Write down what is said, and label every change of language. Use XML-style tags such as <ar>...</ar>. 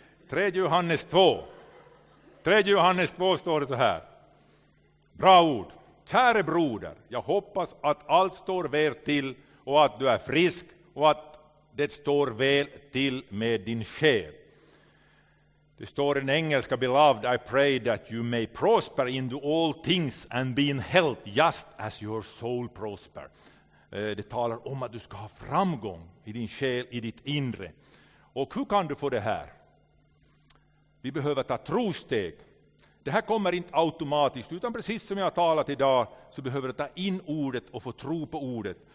<sv>3 Johannes 2. 3 Johannes 2 står det så här. Bra ord. Kära broder, jag hoppas att allt står väl till och att du är frisk och att det står väl till med din själ. Det står i engelska,</sv> <en>beloved, I pray that you may prosper into all things and be in health just as your soul prosper.</en> <sv>Det talar om att du ska ha framgång i din själ, i ditt inre. Och hur kan du få det här? Vi behöver ta trosteg. Det här kommer inte automatiskt, utan precis som jag har talat idag så behöver du ta in ordet och få tro på ordet.</sv>